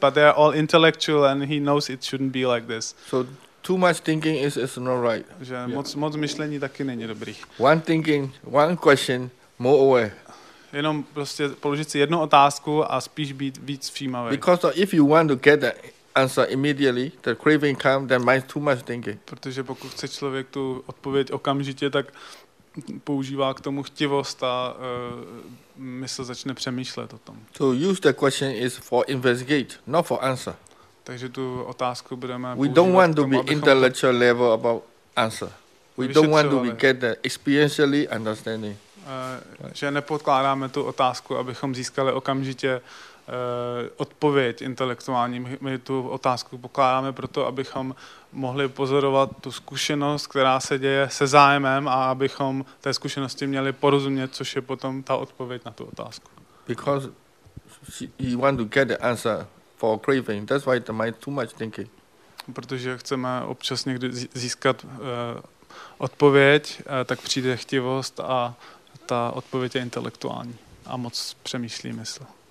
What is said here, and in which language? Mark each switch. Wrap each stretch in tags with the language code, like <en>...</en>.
<en>But they're all intellectual and he knows it shouldn't be like this. So too much thinking is not right. Že yeah.</en> <cs>moc myšlení taky není dobrý.</cs> <en>One thinking, one question, more aware.</en> <cs>Jenom prostě položit si jednu otázku a spíš být víc všímavý.</cs> <en>Because if you want to get that answer immediately, the craving comes, then mind too much thinking.</en> <cs>Protože pokud chce člověk tu odpověď okamžitě, tak používá k tomu chtivost a mysl začne přemýšlet o tom.</cs> <en>So use the question is for investigate, not for answer.</en> <cs>Takže tu otázku budeme používat.</cs> <en>We don't want to be intellectual level about answer. We don't want to get the experientially understanding.</en> <cs>Že nepodkládáme tu otázku, abychom získali okamžitě odpověď intelektuální. My tu otázku pokládáme proto, abychom mohli pozorovat tu zkušenost, která se děje se zájmem a abychom té zkušenosti měli porozumět, což je potom ta odpověď na tu otázku.</cs> <en>Because he want to get the answer for craving. That's why the mind too much thinking.</en> <cs>Protože chceme občas někdy získat odpověď, tak přijde chtivost a ta odpověď je intelektuální a moc přemýšlí mysl.</cs>